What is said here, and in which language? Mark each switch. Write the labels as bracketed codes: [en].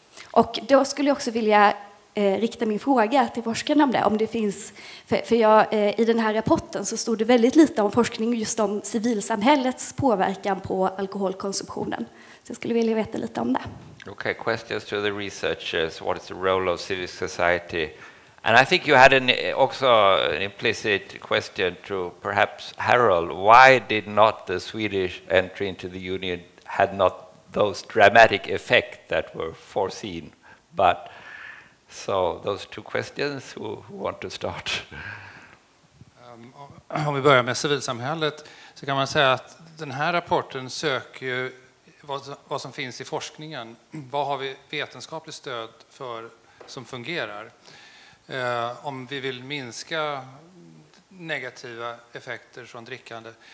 [sv] Och då skulle jag också vilja rikta min fråga till forskarna om det. Om det finns, för i den här rapporten så stod det väldigt lite om forskning just om civilsamhällets påverkan på alkoholkonsumtionen. Så jag skulle vilja veta lite om det. [en] Okay, questions to the researchers. What is the role of civil society? And I think you had an implicit question to perhaps Harold. Why did not the Swedish entry into the union had not those dramatic effects that were foreseen? But so those two questions, who want to start? [sv] Om vi börjar med civilsamhället så kan man säga att den här rapporten söker ju vad som finns i forskningen. Vad har vi vetenskapligt stöd för som fungerar? Om vi vill minska negativa effekter från drickande.